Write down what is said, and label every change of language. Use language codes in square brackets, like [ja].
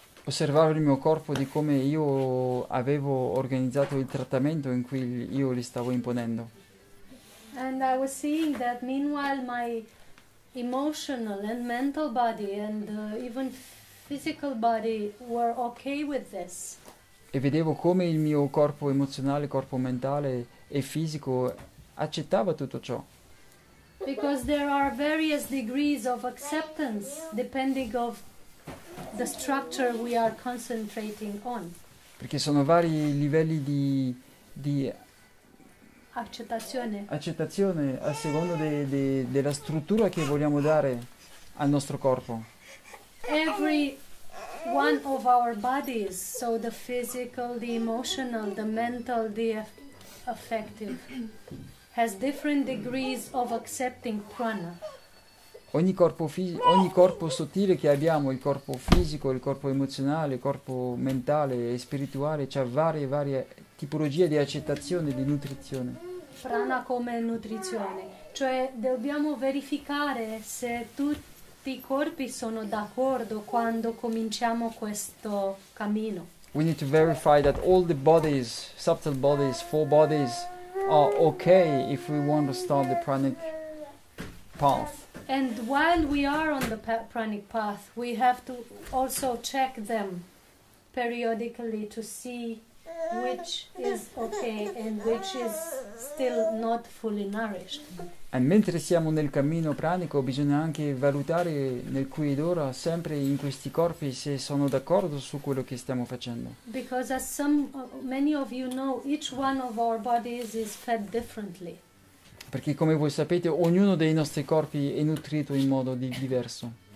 [it] Osservavo il mio corpo di come io avevo organizzato il trattamento in cui io li stavo imponendo. [en] And I was seeing that meanwhile my emotional and mental body and even physical body were okay with this. [it] E vedevo come il mio corpo emozionale, corpo mentale e fisico accettava tutto ciò. [en] Because there are various degrees of acceptance depending on the structure we are concentrating on. [it] Perché sono vari livelli di Accettazione. accettazione a seconda della struttura che vogliamo dare al nostro corpo. [en] Every one of our bodies, so the physical, the emotional, the mental, the affective, has different degrees of accepting prana. [it] Ogni corpo sottile che abbiamo, il corpo fisico, il corpo emozionale, il corpo mentale e spirituale, c'ha varie tipologie di accettazione e di nutrizione. Prana come nutrizione, cioè dobbiamo verificare se tutti i corpi sono d'accordo quando cominciamo questo cammino. [en] We need to verify that all the bodies, subtle bodies, four bodies, are okay if we want to start the pranic path. And while we are on the pranic path, we have to also check them periodically to see which is okay and which is still not fully nourished. [it] E mentre siamo nel cammino pranico, bisogna anche valutare nel qui ed ora, sempre in questi corpi, se sono d'accordo su quello che stiamo facendo. [en] Because as many of you know, each one of our bodies is fed differently. [it] Perché come voi sapete, ognuno dei nostri corpi è nutrito in modo diverso.